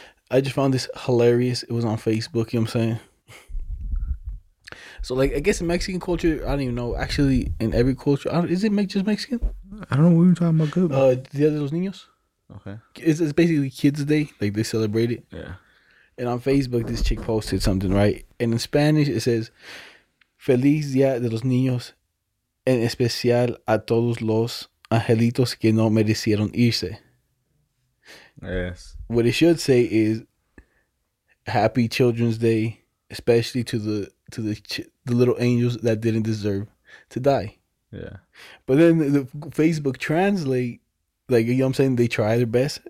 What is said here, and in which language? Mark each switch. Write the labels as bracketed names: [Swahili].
[English] I just found this hilarious. It was on Facebook, you know what I'm saying? So, like, I guess in Mexican culture, I don't even know. Actually, in every culture, is it just Mexican? I don't know what you're talking about. Good. Día de los Niños? Okay. It's basically Kids' Day. Like, they celebrate it. Yeah. And on Facebook, this chick posted something, right? And in Spanish, it says, [Spanish] Feliz Día de los Niños, en especial a todos los angelitos que no merecieron irse. [English] Yes. What it should say is Happy Children's Day, especially to the little angels that didn't deserve to die. Yeah. But then the Facebook translate, like, you know what I'm saying? They try their best.